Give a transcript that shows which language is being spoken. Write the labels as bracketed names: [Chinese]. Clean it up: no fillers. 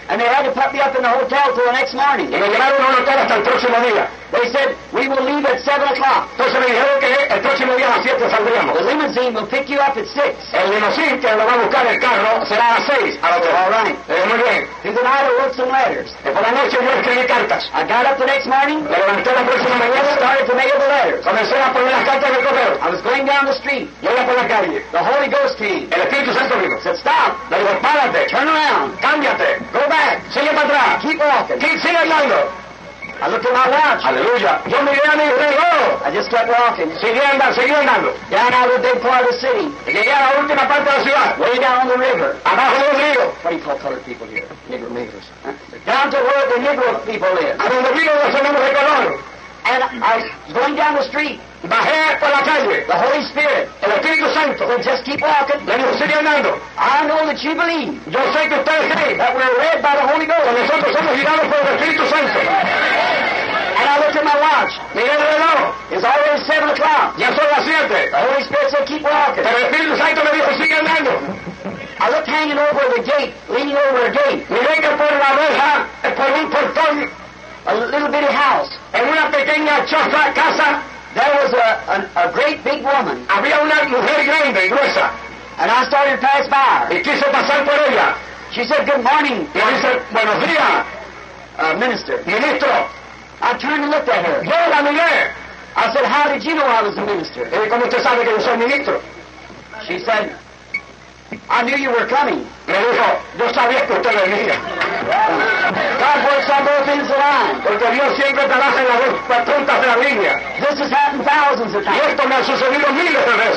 [English] And they had to put me up in the hotel till the next morning. [Spanish] Y me llevaron a un hotel hasta el próximo día. [English] They said, we will leave at 7 o'clock. [Spanish] Entonces me dijeron que el próximo día a las 7 saldríamos. [English] The limousine will pick you up at 6. [Spanish] El limousine que lo va a buscar el carro será a las 6. [English] All right. [Spanish] Muy bien. [English] Through the night I wrote some letters. [Spanish] Y por la noche yo escribí cartas. [English] I got up the next morning. [Spanish] Me levanté la próxima mañana. [English] Started to mail the letters. [Spanish] Comencé a poner las cartas en el correo. [English] I was going down the street. [Spanish] Yo iba por la calle. [English] The Holy Ghost came. [Spanish] El Espíritu Santo vino. [English] Said, stop. [Spanish] Le digo, párate. [English] Turn around. [Spanish] Cámbiate. [English] Go back. [Spanish] Sigue para atrás. [English] Keep walking. [Spanish] Sigue andando. [English] I looked at my watch. Hallelujah. [Spanish] Yo miré a mi reloj. [English] I just kept walking. [Spanish] Siguiendo. [English] Down out of the big part of the city. [Spanish] Y llegué a la última parte de la ciudad. [English] Way down the river. [Spanish] Abajo del río. [English] What do you call colored people here? Negros. Huh? Down to where the Negro people live. [Spanish] A donde viven los hombres de color. [English] And I was going down the street. [Spanish] Bajé por la calle. [English] The Holy Spirit. [Spanish] El Espíritu Santo. [English] So just keep walking. [Spanish] Le dijo, sigue andando. [English] I know that you believe. [Spanish] Yo sé que ustedes creen. [English] That we're led by the Holy Ghost. [Spanish] Que nosotros somos guiados por el Espíritu Santo. [English] And I looked at my watch. [Spanish] Miré el reloj. [English] It's already 7 o'clock. [Spanish] Ya son las 7. [English] The Holy Spirit said, keep walking. [Spanish] Pero el Espíritu Santo me dijo, sigue andando. [English] I looked hanging over the gate, leaning over a gate. [Spanish] Miré que por la reja, por un portón. [English] A little bitty house. [Spanish] En una pequeña choza, casa. [English] There was a great big woman. [Spanish] Había una mujer grande, gruesa. [English] And I started to pass by. [Spanish] Y quise pasar por ella. [English] She said, good morning. [Spanish] Y yo dice, buenos días. [English] Minister. [Spanish] Ministro. [English] I turned and looked at her. [Spanish] Yo la miré. [English] I said, how did you know I was a minister? [Spanish] ¿Y cómo usted sabe que yo soy ministro? [English] She said, I knew you were coming. [Spanish] Me dijo, yo sabía que usted venía. [English] God works on both ends of the line. [Spanish] Porque Dios siempre trabaja en las dos puntas de la línea. [English] This has happened thousands of times. [Spanish] Y esto me ha sucedido miles de veces.